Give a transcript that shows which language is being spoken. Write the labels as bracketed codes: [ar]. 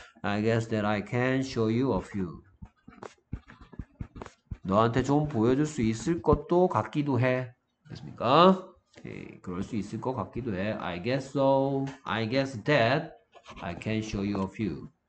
[en] I guess that I can show you a few. [ko] 너한테 좀 보여줄 수 있을 것도 같기도 해. 됐습니까? 오케이. 그럴 수 있을 것 같기도 해. [en] I guess so. I guess that I can show you a few.